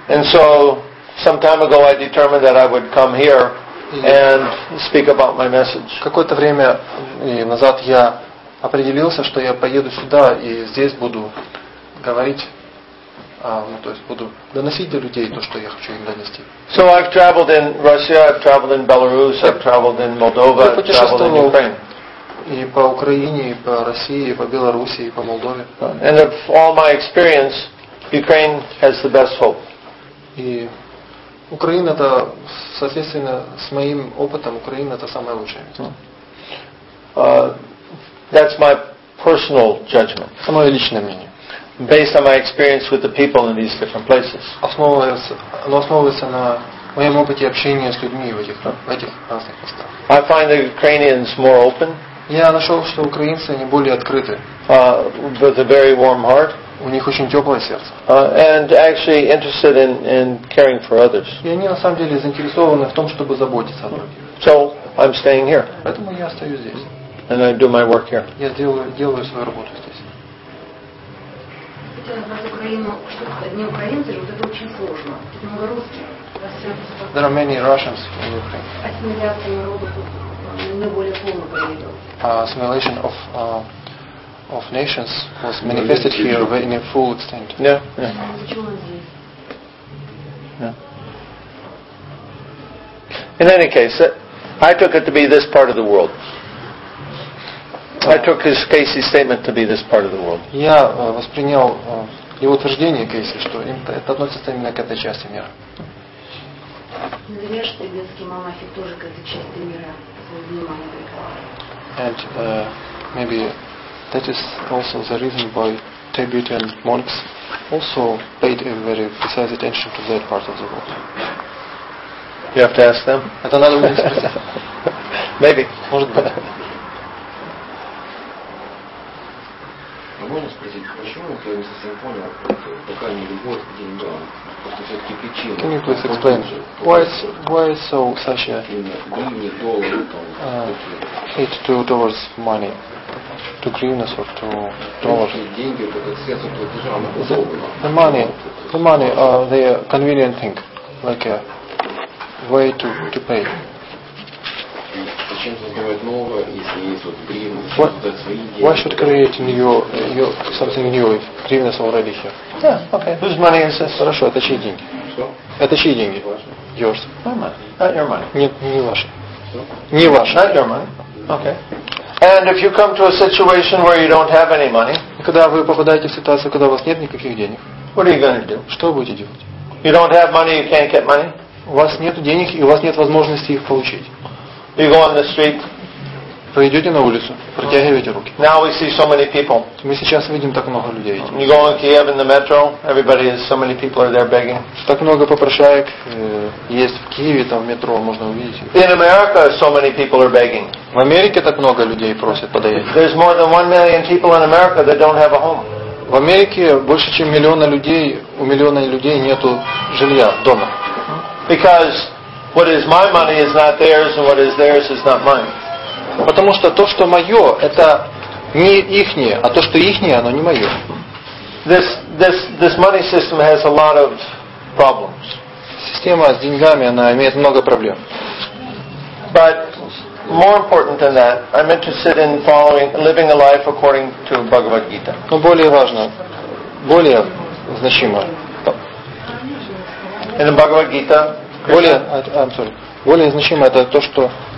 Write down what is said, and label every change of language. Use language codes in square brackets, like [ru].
[en] And so, some time ago, I determined that I would come here and speak about my message. [ru] Какое-то время назад я определился, что я поеду сюда и здесь буду говорить, то есть буду доносить до людей то, что я хочу им донести. [en] So I've traveled in Russia, I've traveled in Belarus, I've traveled in Moldova, I've traveled in Ukraine. [ru] И по Украине, и по России, и по Беларуси, и по Молдове. [en] And of all my experience, Ukraine has the best hope. [ru] И Украина это, соответственно, с моим опытом, Украина это самое лучшее. [en] That's my personal judgment. [ru] Это мое личное мнение. [en] Based on my experience with the people in these different places. [ru] Основывается на моем опыте общения с людьми в этих разных местах. [en] I find the Ukrainians more open. [ru] Я нашел, что украинцы они более открыты. [en] With a very warm heart. [ru] У них очень теплое сердце. [en] And actually interested in caring for others. [ru] И они на самом деле заинтересованы в том, чтобы заботиться о других. [en] So I'm staying here. [ru] Поэтому я остаюсь здесь. [en] And I do my work here. [ru] Я делаю свою работу здесь. Хотя назвать Украину, что не украинцы, вот это очень сложно. Много русских. [en] There are many Russians in Ukraine. [ru] Ассимиляция народов наиболее полно проведена. [en] Assimilation of nations was manifested here in a full extent. Yeah. Yeah. In any case, I took it to be this part of the world. I took his Casey's statement to be this part of the world. [ru] Я воспринял его утверждение, Кейси, что это относится именно к этой части мира. Наверное, что детский монахи тоже к этой части мира свое внимание. [en] And maybe that is also the reason why Tibetan monks also paid a very precise attention to that part of the world. You have to ask them. [ru] Это надо у них спросить. [en] Maybe. [ru] Может быть. Можно спросить, почему я не совсем понял, пока не любовь к деньгам, просто все-таки причина. [en] Can you please explain? Why is so such a [ru] гривны, доллары, [en] hate to towards money, to гривны, or to dollars? [ru] Деньги это как средство платежа. [en] The money are the convenient thing, like a way to pay. Why should create new something new if гривна already here? Yeah, okay. Whose money is this? [ru] Хорошо, это чьи деньги? Что? Это чьи деньги? [en] Yours. My money. Not your money. [ru] Нет, не ваши. Не ваши. [en] Not your money. Okay. And if you come to a situation where you don't have any money, [ru] когда вы попадаете в ситуацию, когда у вас нет никаких денег, [en] what are you going to do? [ru] Что будете делать? [en] You don't have money, you can't get money. [ru] У вас нет денег и у вас нет возможности их получить. [en] You go on the street. [ru] Вы идете на улицу, протягиваете руки. [en] Now we see so many people. [ru] Мы сейчас видим так много людей. [en] You go on Kiev in the metro. Everybody is so many people are there begging. [ru] Так много попрошаек есть в Киеве, там в метро можно увидеть. [en] In America, so many people are begging. [ru] В Америке так много людей просят подаять. [en] There's more than 1 million people in America that don't have a home. [ru] В Америке больше чем миллиона людей, у миллиона людей нету жилья, дома. [en] Because what is my money is not theirs, and what is theirs is not mine. [ru] Потому что то, что мое, это не ихнее, а то, что ихнее, оно не мое. [en] This money system has a lot of problems. [ru] Система с деньгами, она имеет много проблем. [en] But more important than that, I'm interested in following, living a life according to Bhagavad Gita. [ru] Но более важно, более значимо. [en] In the Bhagavad Gita. [ru] Более значимое это то, что